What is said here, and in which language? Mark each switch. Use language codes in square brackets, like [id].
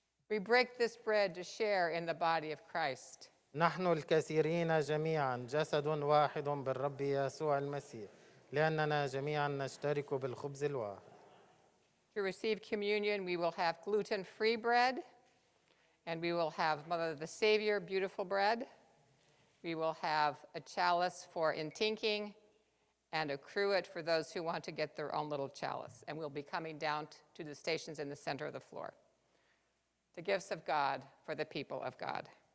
[en] We break this bread to share in the body of Christ. [ar] نحن الكثيرين جميعا جسد واحد بالرب يسوع المسيح لأننا جميعا نشترك بالخبز الواحد. [en] To receive communion, we will have gluten-free bread, and we will have Mother the Savior beautiful bread. We will have a chalice for intinking, and a cruet for those who want to get their own little chalice. And we'll be coming down to the stations in the center of the floor. The gifts of God for the people of God.